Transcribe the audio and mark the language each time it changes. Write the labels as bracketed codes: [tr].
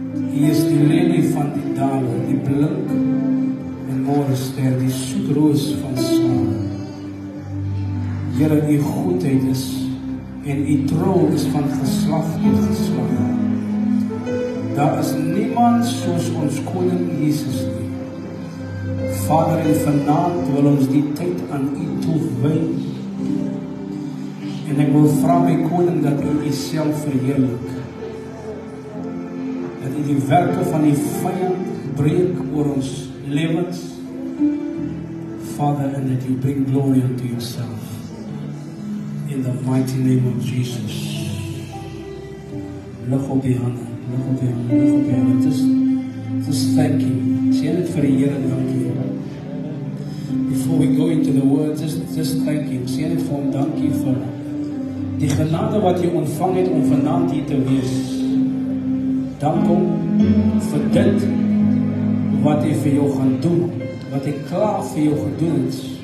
[af] Hy is die lelie van die dale, die blink en morester, die soetroos van saam. Here, u goedheid is en u trou is van geslag tot geslag. Daar is niemand soos ons koning Jesus nie. Vader, en vanaand wil ons die tyd aan u toewy. En ek wil vra my koning dat u uself verheerlik. Die werke van die vijand breek oor ons levens, [en] Father, and that you bring glory unto yourself in the mighty name of Jesus. [af] Lig op die hande, lig op die hande, lig op die hande. [en] Just thank you. [af] Sê dit vir die Here, [en] dank you. Before we go into the word, just thank you. [af] Sê dit vir hom, [en] dank you [af] vir die genade wat jy ontvang het om vanaand hier te wees. Dank hom vir dit wat hy vir jou gaan doen, wat hy klaar vir jou gedoen het.